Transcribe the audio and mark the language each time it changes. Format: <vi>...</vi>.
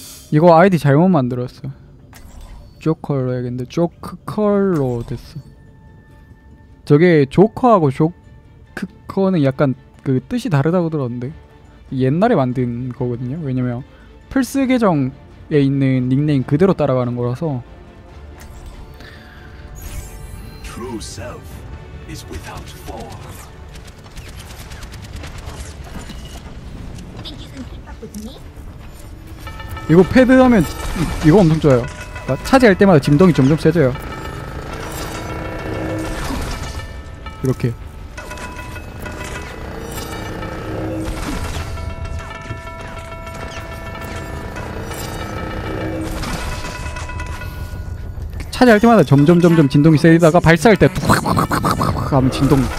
<ko>이거 아이디 잘못 만들었어. 조커로 했는데 조크컬로 됐어. 저게 조커하고 조크커는 약간 그 뜻이 다르다고 들었는데 옛날에 만든 거거든요. 왜냐면 플스 계정에 있는 닉네임 그대로 따라가는 거라서.</ko> <en>True self is without form. Think you can keep up with me?</en> <ko>이거 패드 하면 이거 엄청 좋아요. 차지할 때마다 진동이 점점 세져요. 이렇게 차지할 때마다 점점 진동이 세지다가 발사할 때 팍팍팍팍팍 하면 진동.</ko>